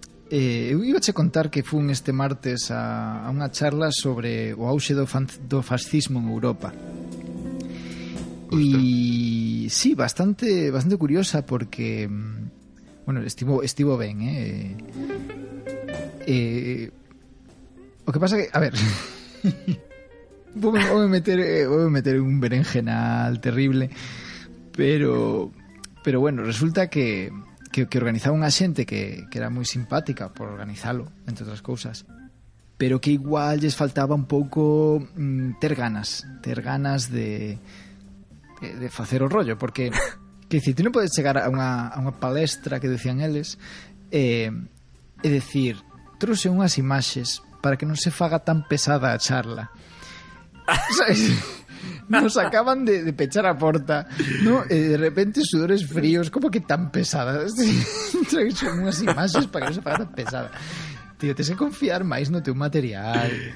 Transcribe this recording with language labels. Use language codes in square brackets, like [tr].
[gl] eu iba a contar que fui este martes a una charla sobre o auxe do fascismo en Europa. [es] Y sí, bastante bastante curiosa porque, bueno, [gl] estivo ben, [es] ¿eh? [gl] O que pasa que, [es] a ver, voy a meter un berenjenal terrible, pero bueno, [gl] resulta que organizaba unha xente que era moi simpática por organizalo, entre outras cousas, pero que igual lles faltaba un pouco ter ganas de facer o rollo, porque que dicir, ti non podes chegar a unha palestra que decían eles e decir, trouxe unhas imaxes para que non se faga tan pesada a charla. [es] ¿Sabes? Nos acaban de [gl] pechar a porta, [es] ¿no? De repente sudores fríos, como que tan pesada. [gl] Trouxe unhas imaxes para que non se faga tan pesada. Tío, tens que confiar máis no teu material.